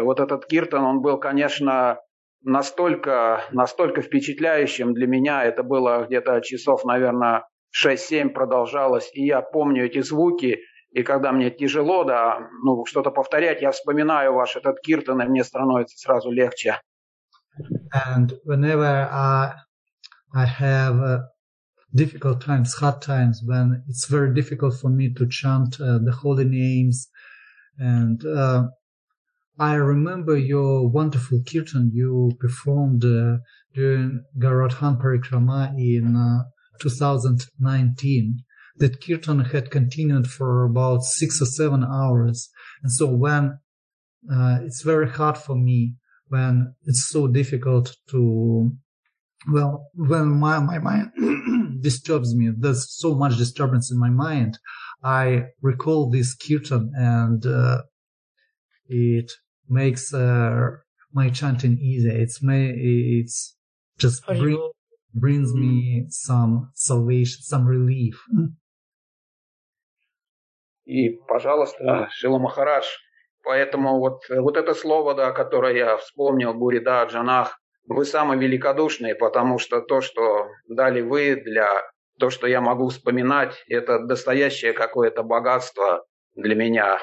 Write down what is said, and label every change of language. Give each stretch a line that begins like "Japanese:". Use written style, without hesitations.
Russian: Вот этот киртан, он был, конечно, настолько впечатляющим для меня. Это было где-то часов, наверное, 6-7 продолжалось. И я помню эти звуки. И когда мне тяжело, да, ну, что-то повторять, я вспоминаю ваш этот киртан, и мне становится сразу легче.
English: And whenever I have difficult times, hard times, when it's very difficult for me to chant the holy names, and I remember your wonderful kirtan you performed during Garodhan Parikrama in 2019. That kirtan had continued for about 6 or 7 hours. And so when it's very hard for me, when it's so difficult to, well, when my mind disturbs me, there's so much disturbance in my mind, I recall this kirtan and it makes my chanting easier. It's just brings me some salvation, some relief.
Russian: И, пожалуйста, Шрила Махарадж, поэтому вот это слово, да, которое я вспомнил, Гурида Джанах, вы самые великодушные, потому что то, что дали вы для то, что я могу вспоминать, это настоящее какое-то богатство для меня.